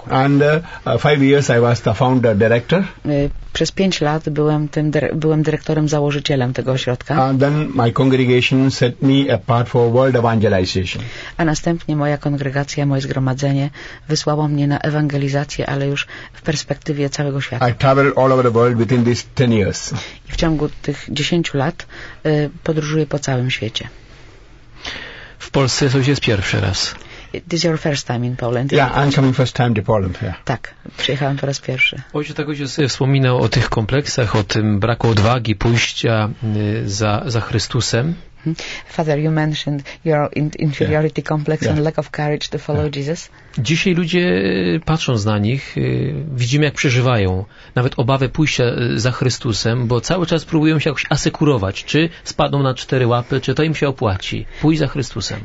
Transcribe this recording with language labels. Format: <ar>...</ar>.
<en>And 5 years, I was the founder director.</en> <pl>Przez 5 lat byłem byłem dyrektorem, założycielem tego ośrodka.</pl> <en>And then my congregation set me apart for world evangelization.</en> <pl>A następnie moja kongregacja, moje zgromadzenie wysłało mnie na ewangelizację, ale już w perspektywie całego świata.</pl> <en>I traveled all over the world within these 10 years.</en> <pl>I w ciągu tych 10 lat podróżuję po całym świecie. W Polsce to jest pierwszy raz.</pl> <en>This is your first time in Poland. Yeah, I'm coming first time to Poland. Yeah.</en> <pl>Tak, przyjechałem po raz pierwszy. Ojciec tak wspominał o tych kompleksach, o tym braku odwagi pójścia za Chrystusem.</pl> <en>Father, you mentioned your inferiority complex and lack of courage to follow Jesus.</en> <pl>Dzisiaj ludzie, patrząc na nich, widzimy, jak przeżywają nawet obawę pójścia za Chrystusem, bo cały czas próbują się jakoś asekurować, czy spadną na cztery łapy, czy to im się opłaci pójść za Chrystusem.</pl>